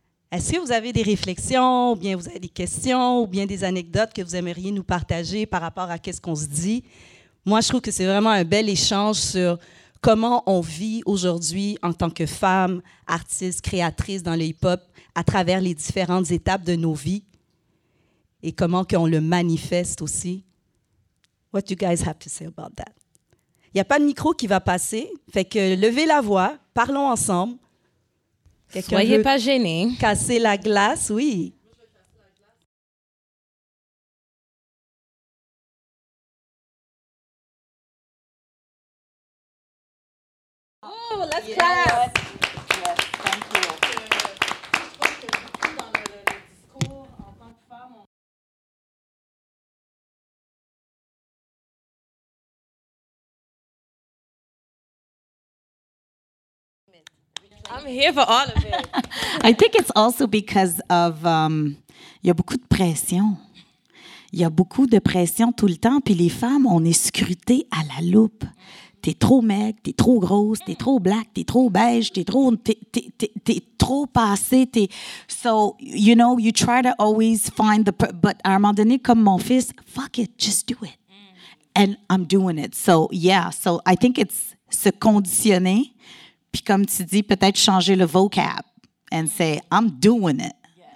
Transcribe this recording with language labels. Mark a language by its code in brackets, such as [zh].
[fr] Est-ce que vous avez des réflexions, ou bien vous avez des questions, ou bien des anecdotes que vous aimeriez nous partager par rapport à qu'est-ce qu'on se dit? Moi, je trouve que c'est vraiment un bel échange sur comment on vit aujourd'hui en tant que femme, artiste, créatrice dans le hip-hop, à travers les différentes étapes de nos vies, et comment qu'on le manifeste aussi. [en] What do you guys have to say about that? [fr] Il n'y a pas de micro qui va passer. Fait que levez la voix, parlons ensemble. Quelqu'un soyez pas gênés. Casser la glace, oui. [en] Oh, let's clap! Yes. Yes. I'm here for all of it. I think it's also because of [fr] il y a beaucoup de pression. Il y a beaucoup de pression tout le temps. Puis les femmes, on est scrutées à la loupe. T'es trop maigre, t'es trop grosse, t'es trop black, t'es trop beige, t'es trop passée. [en] So, you know, you try to always find the... But [fr] à un moment donné, comme mon fils, [en] fuck it, just do it. And I'm doing it. So, yeah, so I think it's [fr] se conditionner. Puis comme tu dis, peut-être changer le vocab [en] and say, I'm doing it. Yeah.